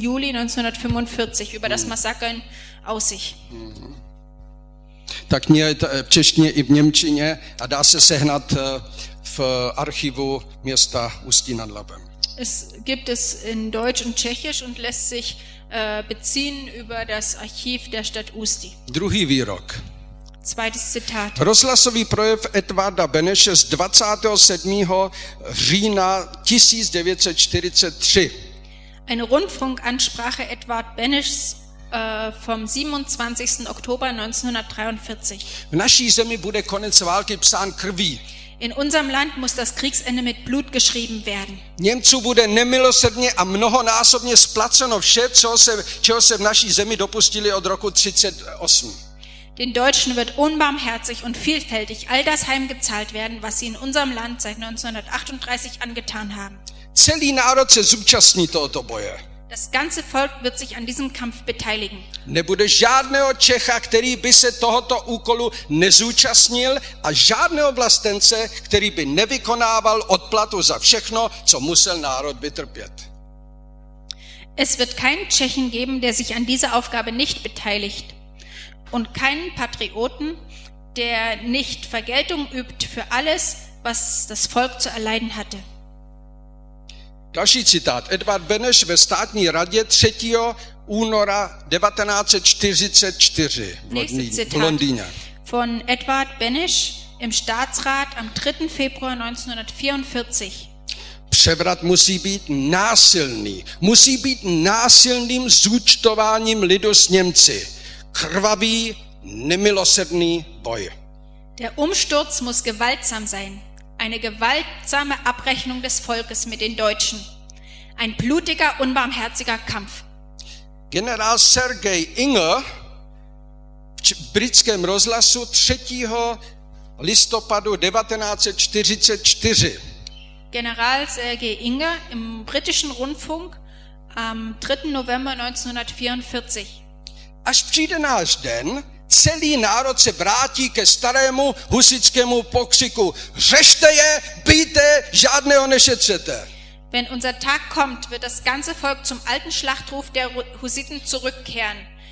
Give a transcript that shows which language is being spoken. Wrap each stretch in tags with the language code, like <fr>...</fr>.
<de>Juli 1945 über das Massaker in Aussicht.</de> <cs>Tak kniha je v češtině i v němčině a dá se sehnat v archivu města Ústí nad Labem.</cs> <de>Es gibt es in Deutsch und Tschechisch und lässt sich beziehen über das Archiv der Stadt Ústí.</de> <cs>Druhý výrok.</cs> <de>Zweites Zitat.</de> <cs>Rozhlasový projev Edvarda Beneše z 27. října 1943.</cs> <de>Eine Rundfunkansprache Edvard Beneš vom 27. Oktober 1943.</de> <cs>V naší zemi bude konec války psán krví.</cs> <de>In unserem Land muss das Kriegsende mit Blut geschrieben werden.</de> <cs>Němců bude nemilosrdně a mnohonásobně splaceno vše, čeho se v naší zemi dopustili od roku 38.</cs> <de>Den Deutschen wird unbarmherzig und vielfältig all das heimgezahlt werden, was sie in unserem Land seit 1938 angetan haben.</de> <cs>Celý národ se zúčastní tohoto boje.</cs> <de>Das ganze Volk wird sich an diesem Kampf beteiligen.</de> <cs>Nebude žádného Čecha, který by se tohoto úkolu nezúčastnil, a žádného vlastence, který by nevykonával odplatu za všechno, co musel národ vytrpět.</cs> <de>Es wird keinen Tschechen geben, der sich an dieser Aufgabe nicht beteiligt, und keinen Patrioten, der nicht Vergeltung übt für alles, was das Volk zu erleiden hatte.</de> <cs>Další citát. Edvard Beneš ve státní radě 3. února 1944 v Londýně.</cs> <de>Von Edvard Beneš im Staatsrat am 3. Februar 1944.</de> <cs>Převrat musí být násilný. Musí být násilným zúčtováním lidu s Němci. Krvavý, nemilosrdný boj.</cs> <de>Der Umsturz muss gewaltsam sein. Eine gewaltsame Abrechnung des Volkes mit den Deutschen. Ein blutiger, unbarmherziger Kampf.</de> <cs>General Sergej Inger v britském rozhlasu 3. listopadu 1944.</cs> <de>General Sergej Inger im britischen Rundfunk am 3. November 1944.</de> <cs>Až přijde náš den, celý národ se vrátí ke starému husitskému pokřiku. Řešte je, bijte, žádného nešetřete.</cs> <de>Wenn unser Tag kommt, wird das ganze Volk zum alten Schlachtruf der Hussiten zurückkehren.</de>